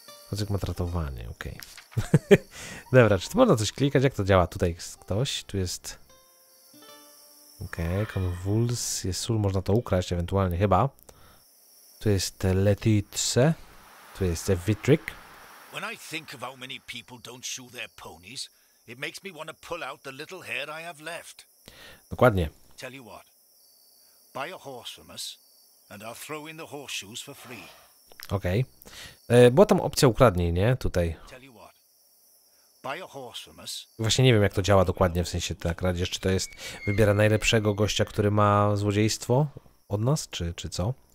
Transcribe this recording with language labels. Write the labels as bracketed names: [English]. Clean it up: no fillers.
[Polish] Kucyk ma tratowanie, okej. Okay. Dobra, czy tu można coś klikać? Jak to działa? Tutaj jest ktoś, tu jest... Okej, okay, konwuls, jest sól, można to ukraść ewentualnie, chyba. Tu jest Letitse, tu jest Vitrik. [English] When I think of how many people don't shoe their ponies, it makes me want to pull out the little hair I have left. [Polish] Dokładnie. [English] Tell you what. Buy a horse from us and I'll throw in the horseshoes for free. Okej. Okay. [Polish] Była tam opcja ukradnij, nie? Tutaj. [English] Tell you what. Buy a horse from us. [Polish] Właśnie nie wiem, jak to działa dokładnie, w sensie tak kradzież, czy to jest wybiera najlepszego gościa, który ma złodziejstwo od nas, czy co?